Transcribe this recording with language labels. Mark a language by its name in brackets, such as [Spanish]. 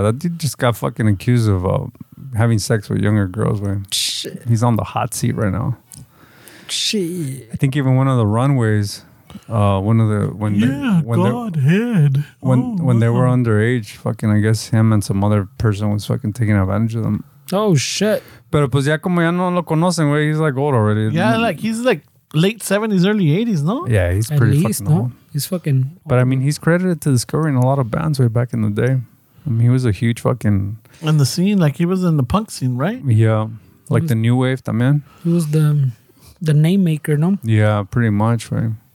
[English] That dude just got fucking accused of having sex with younger girls, man. Shit. He's on the hot seat right now. Shit. I think even one of the runways, when they were underage, fucking, I guess him and some other person was fucking taking advantage of them. Oh shit. [Spanish] Pero pues ya como ya no lo conocen, güey, [English] he's like old already. Yeah, like he's like late 70s, early 80s, no? Yeah, he's at pretty least, fucking no? old. He's fucking old. But I mean, he's credited to discovering a lot of bands way back in the day. I mean, he was a huge fucking in the scene, like he was in the punk scene, right? Yeah. Like the new wave, también. He was the name maker, no? Yeah, pretty much, right?